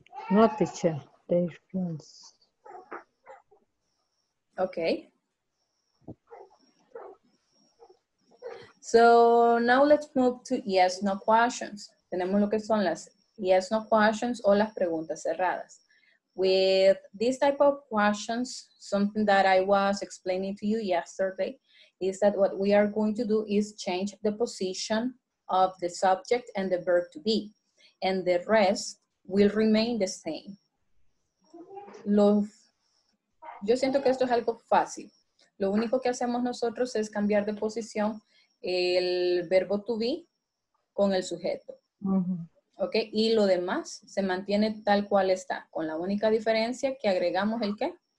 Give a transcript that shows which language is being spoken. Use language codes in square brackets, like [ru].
[en] No, teacher, they friends. Okay. So, now let's move to yes, no questions. [es] Tenemos lo que son las yes, no questions o las preguntas cerradas. [en] With this type of questions, something that I was explaining to you yesterday is that what we are going to do is change the position of the subject and the verb to be, and the rest will remain the same. [es] Yo siento que esto es algo fácil. Lo único que hacemos nosotros es cambiar de posición el verbo to be con el sujeto. ¿Ok? Y lo demás se mantiene tal cual está, con la única diferencia que agregamos el qué.